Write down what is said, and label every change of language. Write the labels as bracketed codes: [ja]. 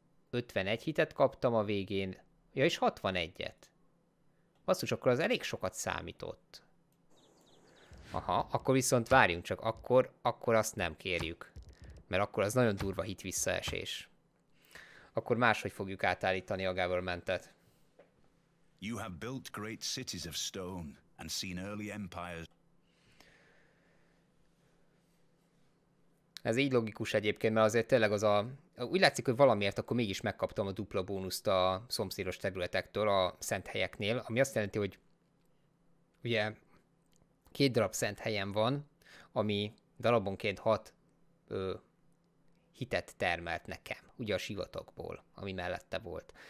[hu] Ötvenegy hitet kaptam a végén, ja és 61-et. Basszus, akkor az elég sokat számított. Aha, akkor viszont várjunk csak, akkor azt nem kérjük. Mert akkor az nagyon durva hit visszaesés. Akkor máshogy fogjuk átállítani a governmentet. [en] You have built great cities of stone and seen early empires. [hu] Ez így logikus egyébként, mert azért tényleg az a... Úgy látszik, hogy valamiért akkor mégis megkaptam a dupla bónuszt a szomszédos területektől a szent helyeknél, ami azt jelenti, hogy ugye két darab szent helyen van, ami darabonként 6 hitet termelt nekem, ugye a sivatagból, ami mellette volt.